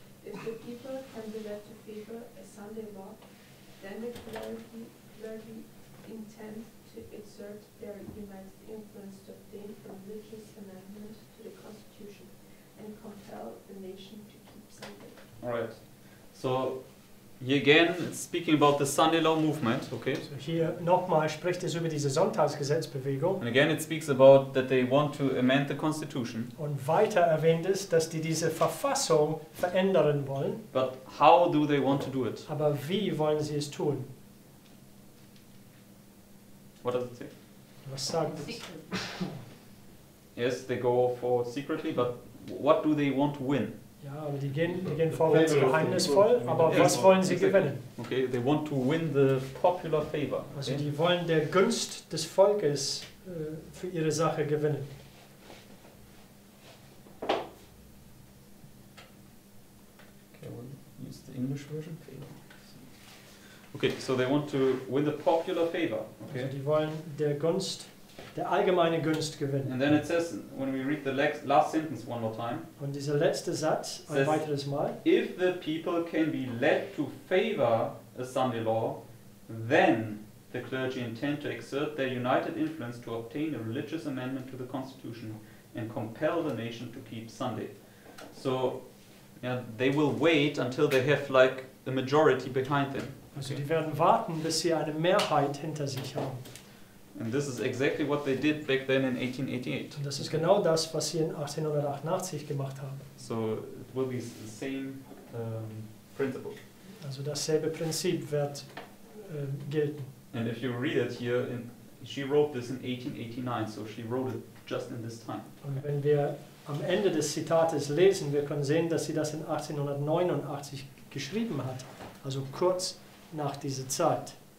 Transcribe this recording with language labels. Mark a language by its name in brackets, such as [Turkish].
[English] If the people can be led to favor a Sunday law, then the clergy intend to exert their immense influence to obtain a religious amendment to the constitution and compel the nation to keep Sunday. All right. So here again, speaking about the Sunday law movement, okay? [German] So hier nochmal spricht es über diese Sonntagsgesetzbewegung. [English] And again, it speaks about that they want to amend the constitution. [German] Und weiter erwähnt es, dass die diese Verfassung verändern wollen. [English] But how do they want to do it? [German] Aber wie wollen sie es tun? [English] What does it say? [German] Was sagt es? [English] Yes, they go for secretly, but what do they want to win? [German] Ja, aber die gehen vorwärts geheimnisvoll, aber [English] yes, [German] was wollen sie gewinnen? [English] Okay, they want to win the popular favor. [German] Also [English] okay. [German] Die wollen der Gunst des Volkes für ihre Sache gewinnen. [English] Okay, we'll use the English version. Okay, so they want to win the popular favor. Okay. [German] Also die wollen der Gunst, der allgemeine Gunst gewinnen. [English] And then it says, when we read the last sentence one more time, [German] und dieser letzte Satz, ein [English] says, [German] weiteres Mal, [English] if the people can be led to favor a Sunday law, then the clergy intend to exert their united influence to obtain a religious amendment to the constitution and compel the nation to keep Sunday. So, yeah, they will wait until they have like the majority behind them. [German] Also okay. Die werden warten, bis sie eine Mehrheit hinter sich haben. [English] And this is exactly what they did back then in 1888. [German] Und das ist genau das, was sie in 1888 gemacht haben. [English] So it will be the same principle. [German] Also dasselbe Prinzip wird gelten. [English] And if you read it here, she wrote this in 1889, so she wrote it just in this time. [German] Und wenn wir am Ende des Zitates lesen, wir können sehen, dass sie das in 1889 geschrieben hat, also kurz nach dieser Zeit.